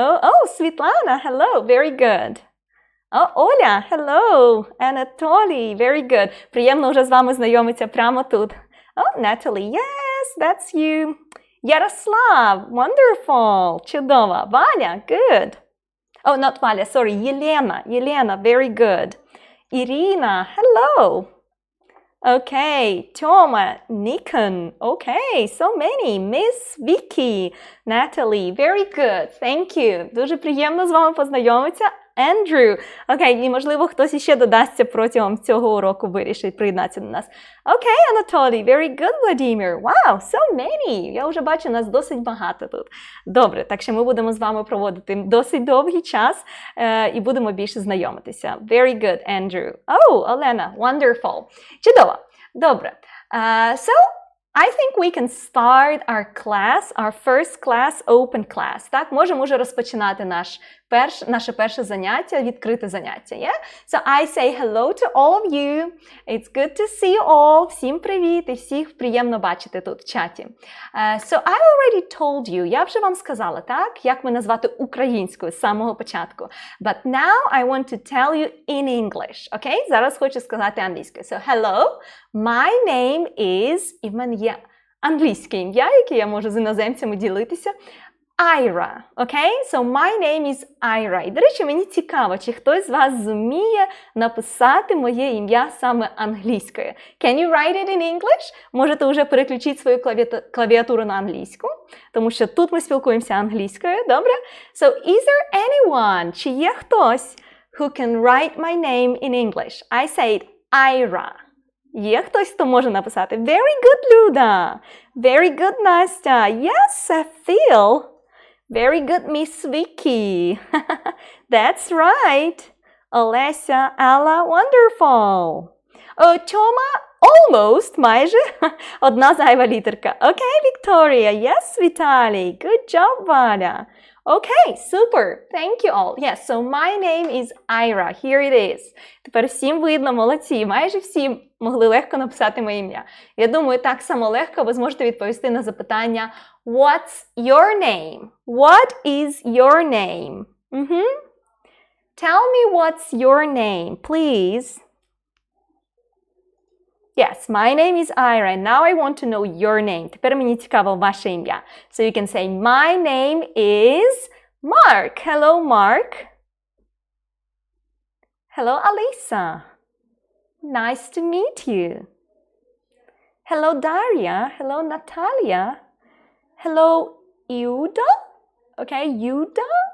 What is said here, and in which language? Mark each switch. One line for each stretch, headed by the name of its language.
English: Oh, Світлана, hello, very good. Оля, hello, Анатолій, very good.
Ukrainian: Приємно вже з вами знайомитися прямо тут.
English: Oh, Natalie, yes, that's you. Ярослав, wonderful,
Ukrainian: чудово.
English: Валя, good. Oh, not Валя, sorry, Єлена, very good. Ірина, hello. Okay, Тьома, Nikon, okay, so many. Miss Vicky, Natalie, very good, thank you.
Ukrainian: Дуже приємно з вами познайомитися.
English: Andrew.
Ukrainian: Окей, okay, і можливо, хтось ще додасться протягом цього уроку, вирішить приєднатися до нас.
English: Окей, okay, Анатолій, very good, Владимир. Wow, so many.
Ukrainian: Я вже бачу, нас досить багато тут. Добре, так що ми будемо з вами проводити досить довгий час і будемо більше знайомитися.
English: Very good, Andrew. Oh, Олена, wonderful.
Ukrainian: Чудово. Добре.
English: So, I think we can start our class, our first class, open class.
Ukrainian: Так, можемо вже розпочинати наше перше заняття, відкрите заняття.
English: Yeah? So I say hello to all of you. It's good to see you all.
Ukrainian: Всім привіт і всіх приємно бачити тут в чаті.
English: So I already told you,
Ukrainian: я вже вам сказала, так, як ми назвати українською з самого початку.
English: But now I want to tell you in English. Okay?
Ukrainian: Зараз хочу сказати англійською.
English: So hello, my name is,
Ukrainian: і в мене є англійське ім'я, яке я можу з іноземцями ділитися.
English: Айра, окей? Okay? So, my name is Айра.
Ukrainian: І, до речі, мені цікаво, чи хтось з вас зуміє написати моє ім'я саме англійською.
English: Can you write it in English?
Ukrainian: Можете вже переключити свою клавіатуру на англійську, тому що тут ми спілкуємося англійською, добре?
English: So, is there anyone,
Ukrainian: чи є хтось,
English: who can write my name in English? I said Айра.
Ukrainian: Є хтось, хто може написати?
English: Very good, Люда. Very good, Настя. Yes, Phil. Very good, Miss Vicky. That's right. Олеся, Алла, wonderful. Тьома, almost,
Ukrainian: майже. Одна зайва літерка. Okay, Victoria.
English: Yes, Віталій. Good job, Валя. Okay, super. Thank you all. Yes, so my name is Айра. Here it is.
Ukrainian: Тепер всім видно, молодці. Майже всі могли легко написати моє ім'я. Я думаю, так само легко ви зможете відповісти на запитання
English: What's your name? What is your name? Mm-hmm. Tell me what's your name, please. Yes, my name is Айра. Now I want to know your name.
Ukrainian: Тепер мені цікаво ваше ім'я.
English: So you can say, my name is Mark. Hello, Mark. Hello, Алиса. Nice to meet you. Hello, Дар'я. Hello, Наталія. Hello, Юда. Okay, Юда.